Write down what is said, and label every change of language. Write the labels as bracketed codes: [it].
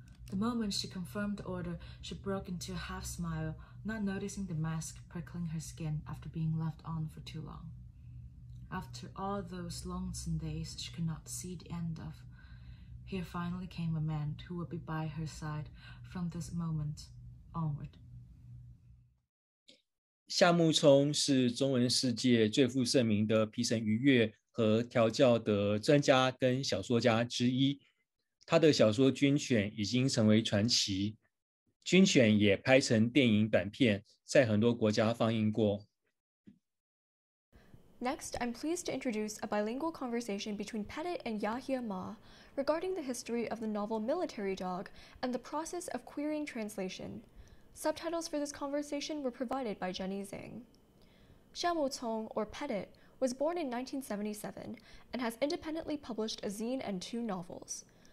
[en] The moment she confirmed the order, she broke into a half smile, not noticing the mask prickling her skin after being left on for too long. After all those lonesome days she could not see the end of, here finally came a man who would be by her side from this moment onward. [zh] 夏目聪是中文世界最负盛名的皮神愉悦和调教的专家跟小说家之一，他的小说《军犬》已经成为传奇，《军犬》也拍成电影短片，在很多国家放映过。 [en] Next, I'm pleased to introduce a bilingual conversation between Petit and Yahia Ma regarding the history of the novel Military Dog and the process of querying translation. Subtitles for this conversation were provided by Jenny Zhang. Xia Mucong, or Petit, was born in 1977 and has independently published a zine and two novels.